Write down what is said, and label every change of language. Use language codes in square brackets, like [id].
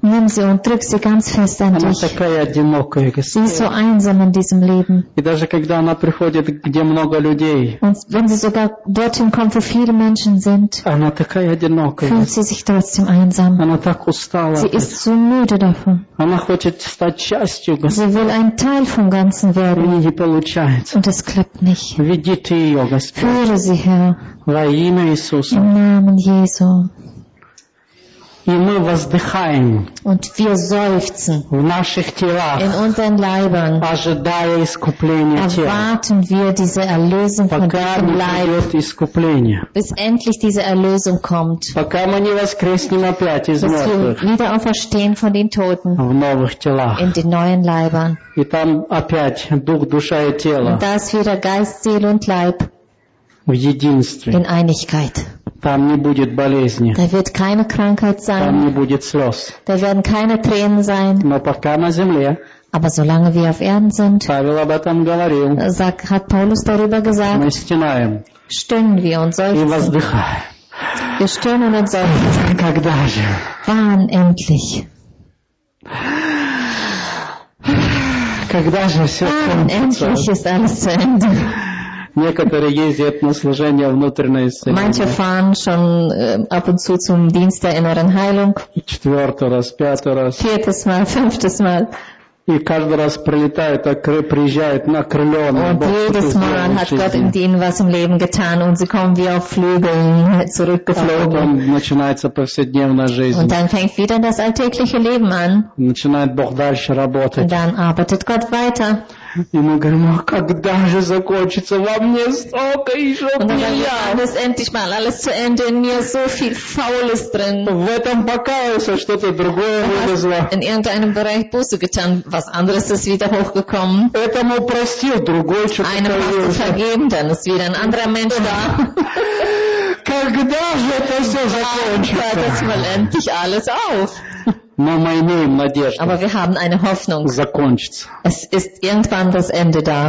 [de] Nimm sie und drück sie ganz fest an [ru] она [de] dich. [ru] Такая одинокая, Господи. [de] Sie ist so einsam in diesem Leben. [ru] И даже когда она приходит, где много людей. [de] Und wenn sie sogar dorthin kommt, wo viele Menschen sind. [ru] Она такая одинокая. [de] Fühlt sie sich trotzdem einsam. [ru] Она так устала. [de] Sie ist so müde davon. [ru] Она хочет стать частью, Господи. [de] Sie will ein Teil vom Ganzen werden. [ru] У нее не получается. [de] Und es klappt nicht. [ru] Веди ты ее, Господи. [de] Führe sie, Herr. [ru] Во имя Иисуса. [de] Im Namen Jesu. [ru] И мы воздыхаем [de] und wir seufzen [ru] в наших телах, [de] in unseren Leibern, [ru] ожидая искупления тела. [de] Erwarten wir diese Erlösung [ru] пока [de] von diesem Leib, [ru] придет искупление. [de] Bis endlich diese Erlösung kommt. [ru] Пока мы не воскреснем опять из мертвых. [de] Bis wir wieder auferstehen von den Toten. [ru] В новых телах. [de] In den neuen Leibern. [ru] И там опять дух, душа и тело. [de] Und da ist wieder Geist, Seele und Leib. [ru] В единстве. [de] In Einigkeit. [ru] Там не будет болезни. [de] Da wird keine Krankheit sein. [ru] Там не будет слез. [de] Da werden keine Tränen sein. [ru] Но пока на земле. [de] Aber solange wir auf Erden sind. [ru] Павел об этом говорил. [de] Hat Paulus darüber gesagt. [ru] Мы стенаем. Стенаем [de] wir und seufzen. [ru] И воздыхаем. [de] Wir stöhnen und seufzen. [ru] Когда же? [de] Wann endlich? [ru] Когда же все кончится? Некоторые ездят на служение внутренней исцеления. [de] Manche fahren schon ab und zu zum Dienst der inneren Heilung. [ru] Четвертый раз, пятый раз. [de] Viertes Mal, fünftes Mal. [ru] И каждый раз прилетает, приезжает на крыло. [de] Und jedes Mal hat Gott in denen was im Leben getan und sie kommen wie auf Flügeln zurückgeflogen. [ru] Потом начинается повседневная жизнь. [de] Und dann fängt wieder das alltägliche Leben an. [ru] Начинает Бог дальше работать. [de] Dann arbeitet Gott weiter. [ru] И мы говорим, а когда же закончится во мне столько еще пыля? В этом покаялся, что-то другое вылезло. [de] In irgendeinem Bereich Buße getan, was anderes ist wieder hochgekommen. [ru] Этому простил, другой что-то [de] einem [ru] покаялся. [de] Einem vergeben, dann ist wieder ein anderer Mensch da. [ru] Когда же это все закончится? [de] Hört das mal endlich alles auf. [ru] Но мы имеем надежду. [de] Aber wir haben eine Hoffnung. [ru] Закончится. [de] Es ist irgendwann das Ende da.